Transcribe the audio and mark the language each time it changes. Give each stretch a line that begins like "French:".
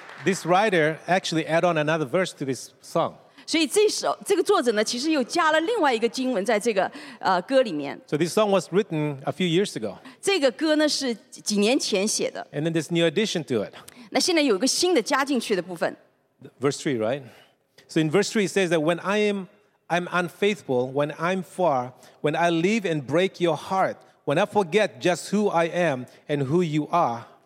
English: This writer actually added on another verse to this song.
Chinese: 所以这首这个作者呢，其实又加了另外一个经文在这个歌里面。
English: So this song was written a few years ago.
Chinese: 这个歌呢是几年前写的。
English: And then this new addition to it.
Chinese: 那现在有一个新的加进去的部分。
English: Verse 3, right? So in verse 3, it says that when I'm unfaithful, when I'm far, when I leave and break your heart, when I forget just who I am and who you are.